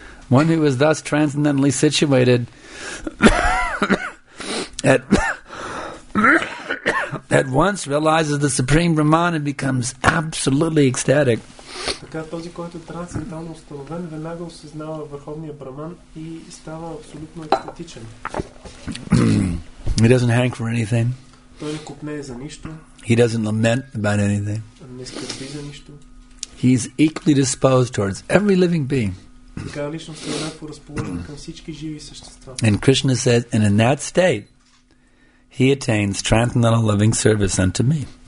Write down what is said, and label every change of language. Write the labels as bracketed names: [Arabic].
[English] One who is thus transcendentally situated at once realizes the Supreme Brahman and becomes absolutely ecstatic. [Bulgarian] Така този, който е трансцендентално установен, веднага осъзнава върховния браман и става абсолютно екстатичен. [English] He doesn't hang for anything. [Bulgarian] Той не купнее за нищо. [English] He doesn't lament about anything. [Bulgarian] Не скърби за нищо. [English] He is equally disposed towards every living being. [Bulgarian] Така личност е еднакво разположена към всички живи същества. [English] And Krishna says, and in that state, he attains transcendental loving service unto me.